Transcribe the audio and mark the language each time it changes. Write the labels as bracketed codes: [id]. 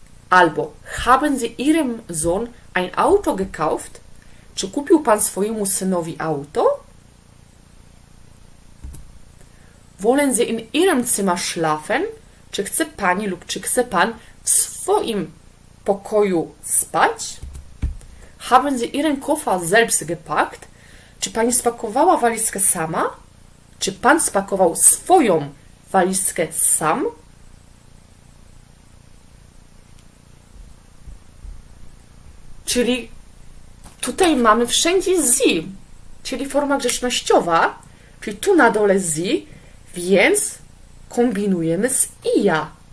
[de] Albo haben Sie Ihrem Sohn ein Auto gekauft? [pl] Czy kupił pan swojemu synowi auto? [de] Wollen Sie in Ihrem Zimmer schlafen? [pl] Czy chce pani lub czy chce pan w swoim pokoju spać? [de] Haben Sie Ihren Koffer selbst gepackt? [pl] Czy pani spakowała walizkę sama? Czy pan spakował swoją walizkę sam? Czyli tutaj mamy wszędzie Sie, czyli forma grzecznościowa, czyli tu na dole Sie, więc kombinujemy z i ja.